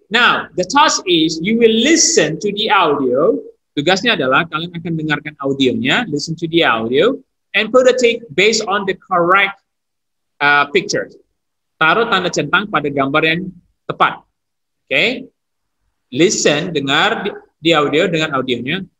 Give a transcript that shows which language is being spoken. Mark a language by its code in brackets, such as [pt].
[en] Now, the task is you will listen to the audio. [id] Tugasnya adalah kalian akan dengarkan audionya. [en] Listen to the audio. And put a tick based on the correct picture. [id] Taruh tanda centang pada gambar yang tepat. Okay. Listen, dengar di audio dengan audionya.